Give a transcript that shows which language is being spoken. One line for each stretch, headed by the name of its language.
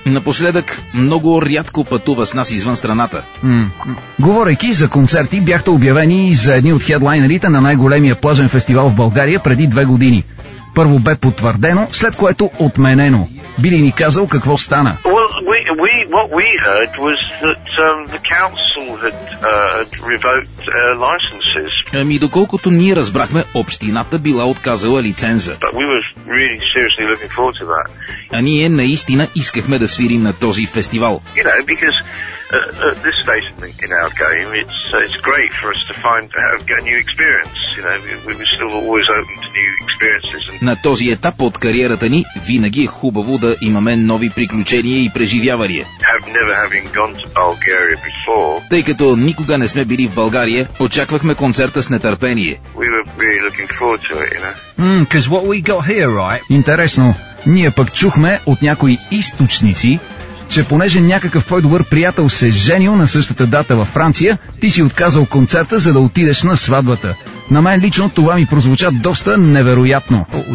Bulgarian: Напоследък, много рядко пътува с нас извън страната. Говорейки за концерти, бяхте обявени за едни от хедлайнерите на най-големия плажен фестивал в България преди 2 години. Първо бе потвърдено, след което отменено. Би ли ни казал какво стана?
English: Well, what we heard was that the council had revoked licenses.
Bulgarian: Ами доколкото ние разбрахме, общината била отказала лиценза.
English: But we were really seriously looking forward to that.
Bulgarian: А ние наистина искахме да свирим на този фестивал.
English: You know, because at this stage in our game, it's great for us to find a new experience. You know, we're still always open to new experiences.
Bulgarian: На този етап от кариерата ни винаги е хубаво да имаме нови приключения и преживявания.
English: Have never having gone to Bulgaria before.
Bulgarian: Тъй като никога не сме били в България, очаквахме концерта с нетърпение.
English: We were really looking forward to it, you know. Because what we got here, right?
Bulgarian: Интересно. Ние пък чухме от някои източници, че понеже някакъв твой добър приятел се женил на същата дата във Франция, ти си отказал концерта, за да отидеш на сватбата. На мен лично това ми прозвуча доста невероятно.